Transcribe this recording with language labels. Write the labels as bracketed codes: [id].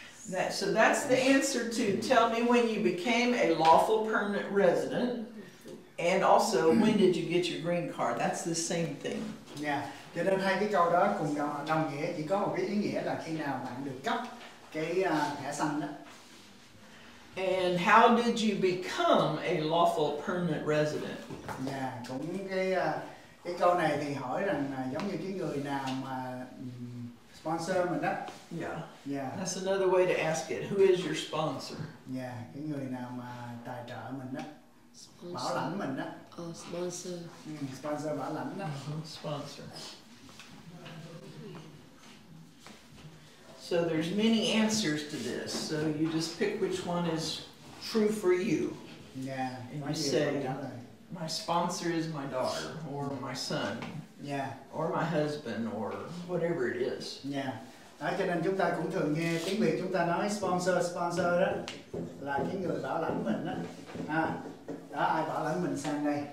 [en] That, so that's the answer to tell me when you became a lawful permanent resident, and also when did you get your green card? That's the same thing. Yeah. [vi] Cho nên hai cái câu đó cùng đồng nghĩa, chỉ có một cái ý nghĩa là khi nào bạn được cấp cái thẻ xanh đó. [en] And how did you become a lawful permanent resident? [vi] Yeah, cũng cái câu này thì hỏi rằng giống như cái người nào mà sponsor mình đó. [en] Yeah. Yeah. That's another way to ask it. Who is your sponsor? [vi] Yeah, cái người nào mà tài trợ mình đó. Bảo lãnh mình đó. [en] Oh, sponsor. [vi] Sponsor bảo lãnh đó. [en] Sponsor. So there's many answers to this. So you just pick which one is true for you. Yeah. And you say, my sponsor is my daughter, or my son. Yeah. Or my husband, or whatever it is. Yeah. [vi] Đó, cho nên chúng ta cũng thường nghe tiếng Việt chúng ta nói sponsor đó là cái người bảo lãnh mình đó. À, đó ai bảo lãnh mình sang đây?